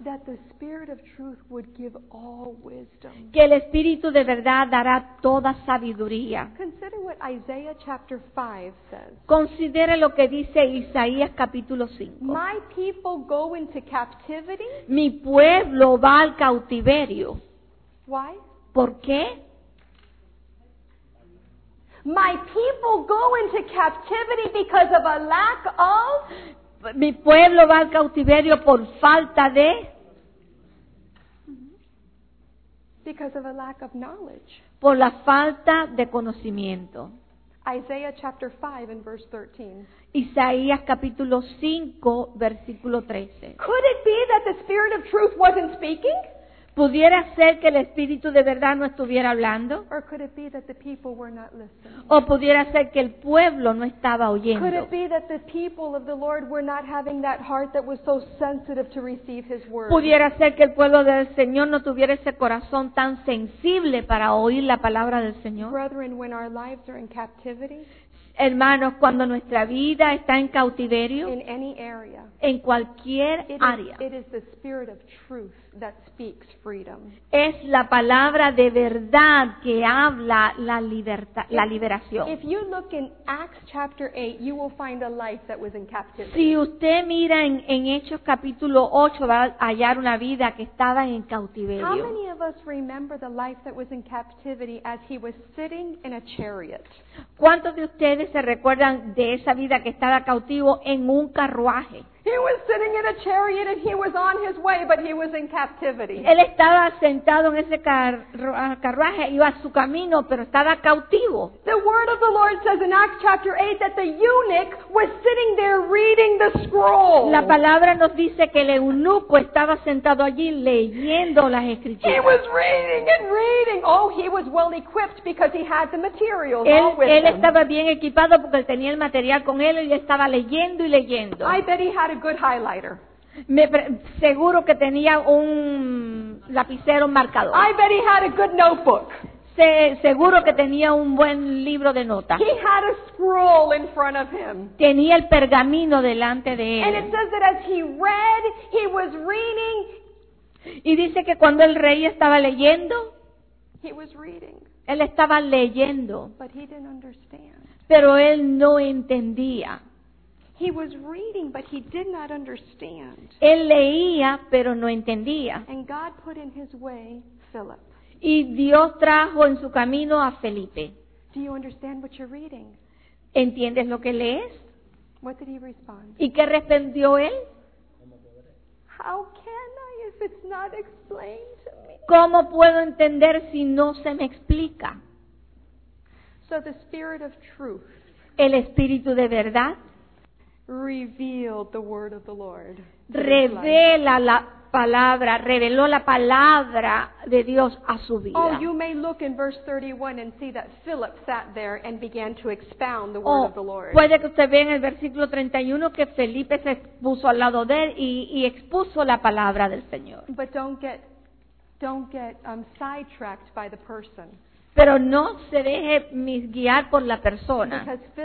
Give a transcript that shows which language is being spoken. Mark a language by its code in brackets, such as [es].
[en] That the Spirit of truth would give all wisdom. [es] Que el Espíritu de verdad dará toda sabiduría. [en] Consider what Isaiah chapter 5 says. [es] Considere lo que dice Isaías capítulo 5. [en] My people go into captivity. [es] Mi pueblo va al cautiverio. [en] Why? [es] ¿Por qué? [en] My people go into captivity because of a lack of. [es] Mi pueblo va al cautiverio por falta de. [en] Because of a lack of knowledge. [es] Por la falta de conocimiento. [en] Isaiah chapter 5 and verse 13. [es] Isaías capítulo 5, versículo 13. [en] Could it be that the Spirit of truth wasn't speaking? [es] ¿Pudiera ser que el Espíritu de verdad no estuviera hablando? [en] Or could it be that the people were not listening? [es] ¿O pudiera ser que el pueblo no estaba oyendo? [en] Could it be that the people of the Lord were not having that heart that was so sensitive to receive His word? [es] ¿Pudiera ser que el pueblo del Señor no tuviera ese corazón tan sensible para oír la palabra del Señor? [en] Brethren, when our lives are in captivity, [es] hermanos, cuando nuestra vida está en cautiverio, [en] in any area, [es] en cualquier área, [en] it is the Spirit of truth that speaks freedom. [es] Es la palabra de verdad que habla la libertad, la liberación. [en] If you look in Acts chapter 8, you will find a life that was in captivity. [es] Si usted mira en Hechos capítulo 8, va a hallar una vida que estaba en cautiverio. [en] How many of us remember the life that was in captivity as he was sitting in a chariot? [es] ¿Cuántos de ustedes se recuerdan de esa vida que estaba cautivo en un carruaje? [en] He was sitting in a chariot and he was on his way, but he was in captivity. [es] Él estaba sentado en ese carruaje, iba su camino, pero estaba cautivo. [en] The word of the Lord says in Acts chapter 8 that the eunuch was sitting there reading the scroll. [es] La palabra nos dice que el eunuco estaba sentado allí leyendo las escrituras. [en] He was reading and reading. Oh, he was well equipped because he had the material. [es] Él estaba bien equipado porque él tenía el material con él y estaba leyendo y leyendo. [en] I bet he had a good highlighter. [es] Seguro que tenía un lapicero, un marcador. [en] I bet he had a good notebook. [es] Seguro que tenía un buen libro de notas. [en] He had a scroll in front of him. [es] Tenía el pergamino delante de él. [en] And it says that as he read, he was reading. [es] Y dice que cuando el rey estaba leyendo, [en] he was reading. [es] Él estaba leyendo. [en] But he didn't understand. [es] Pero él no entendía. [en] He was reading, but he did not understand. [es] Él leía, pero no entendía. [en] And God put in his way Philip. [es] Y Dios trajo en su camino a Felipe. [en] Do you understand what you're reading? [es] ¿Entiendes lo que lees? [en] What did he respond? [es] ¿Y qué respondió él? [en] How can I if it's not explained to me? [es] ¿Cómo puedo entender si no se me explica? [en] So the spirit of truth. [es] El espíritu de verdad. [en] Revealed the word of the Lord. [es] Revela la palabra, reveló la palabra de Dios a su vida. [en] Oh, you may look in verse 31 and see that Philip sat there and began to expound the word of the Lord. [es] Puede que usted vea en el versículo 31 que Felipe se puso al lado de él y expuso la palabra del Señor. [en] But don't get sidetracked by the person. [es] Pero no se deje misguiar por la persona.